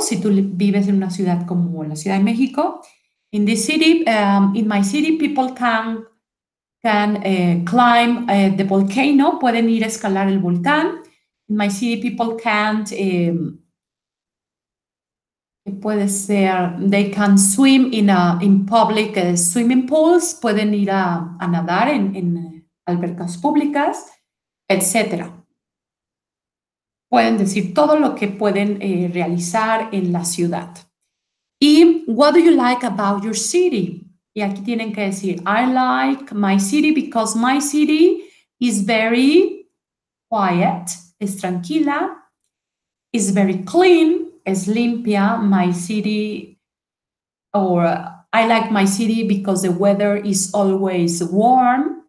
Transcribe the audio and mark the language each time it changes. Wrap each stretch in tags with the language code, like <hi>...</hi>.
<es>Si tú vives en una ciudad como la Ciudad de México,</es> <en>in this city, in my city, people can climb the volcano.</en> <es>Pueden ir a escalar el volcán.</es> <en>In my city, people can't.</en> <es>Puede ser,</es> <en>they can swim in public swimming pools.</en> <es>Pueden ir a nadar en albercas públicas, etcétera. Pueden decir todo lo que pueden realizar en la ciudad.</es> <en>Y what do you like about your city?</en> <es>Y aquí tienen que decir,</es> <en>I like my city because my city is very quiet,</en> <es>es tranquila,</es> <en>is very clean,</en> <es>es limpia,</es> <en>my city, or I like my city because the weather is always warm.</en>